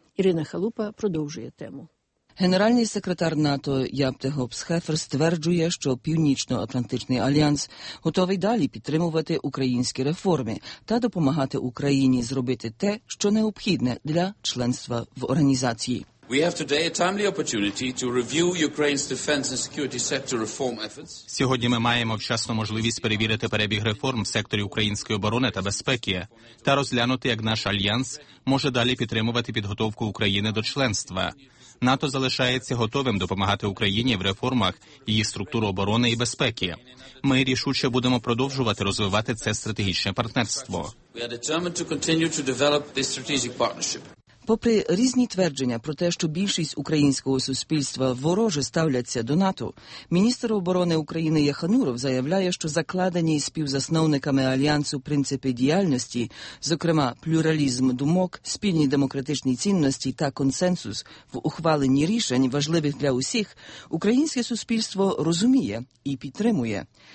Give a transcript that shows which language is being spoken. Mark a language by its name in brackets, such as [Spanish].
[Ukrainian] Ірина Халупа продовжує тему. Генеральний секретар НАТО Япте Гопсхефер стверджує, що Північно-Атлантичний альянс готовий далі підтримувати українські реформи та допомагати Україні зробити те, що необхідне для членства в організації. [English] We have today a timely opportunity to review Ukraine's defense and security sector reform efforts. [Ukrainian] Сьогодні ми маємо вчасну можливість перевірити перебіг реформ в секторі української оборони та безпеки та розглянути, як наш альянс може далі підтримувати підготовку України до членства. НАТО залишається готовим допомагати Україні в реформах її структур оборони і безпеки. Ми рішуче будемо продовжувати розвивати це стратегічне партнерство. [English] We are determined to continue to develop this strategic partnership. [Ukrainian] Попри різні твердження про те, що більшість українського суспільства вороже ставляться до НАТО, міністр оборони України Єхануров заявляє, що закладені співзасновниками Альянсу принципи діяльності, зокрема плюралізм думок, спільні демократичні цінності та консенсус в ухваленні рішень, важливих для усіх, українське суспільство розуміє і підтримує.